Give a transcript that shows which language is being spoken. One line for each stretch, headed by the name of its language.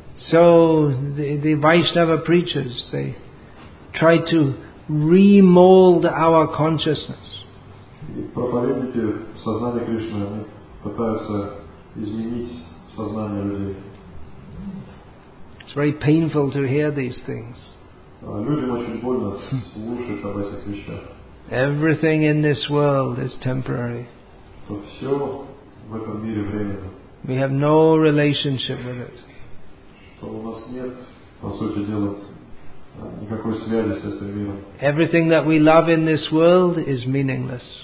English: So the Vaishnava preachers, they try to remold our consciousness.
Russian: Проповедники сознания Кришны пытаются изменить сознание людей.
English: It's very painful to hear these things.
Russian: Людям очень больно слушать об этих вещах.
English: Everything in this world is temporary.
Russian: Все в этом мире временно.
English: We have no relationship with it.
Russian: Что у нас нет, по сути дела, никакой связи с этим миром.
English: Everything that we love in this world is meaningless.